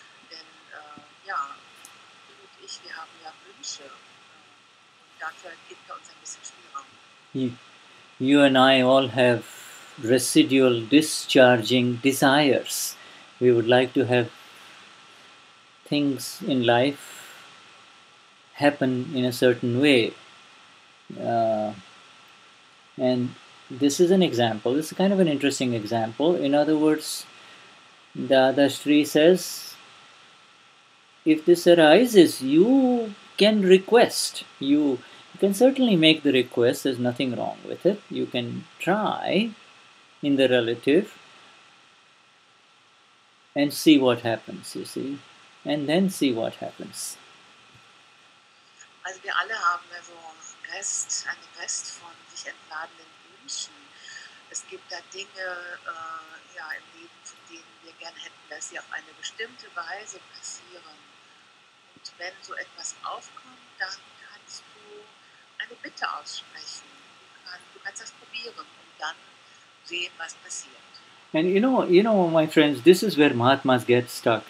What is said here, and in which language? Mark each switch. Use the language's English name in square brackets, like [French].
[German] Denn ja, du und ich, wir haben ja Wünsche. Und dafür gibt er uns ein bisschen Spielraum. [English] You and I all have residual discharging desires. We would like to have things in life happen in a certain way. And this is an example. This is kind of an interesting example. In other words, Dadashri says, if this arises, you can request, you can certainly make the request, there's nothing wrong with it. You can try in the relative and see what happens, you see. And then see what happens. [German] Also wir alle haben also einen Rest von sich entladenen Wünschen. Es gibt da Dinge im Leben, von denen wir gern hätten, dass sie auf eine bestimmte Weise passieren. Und wenn so etwas aufkommt, dann kannst du eine Bitte aussprechen. Du kannst das probieren und dann sehen, was passiert. [English] And you know, my friends, this is where Mahatmas get stuck.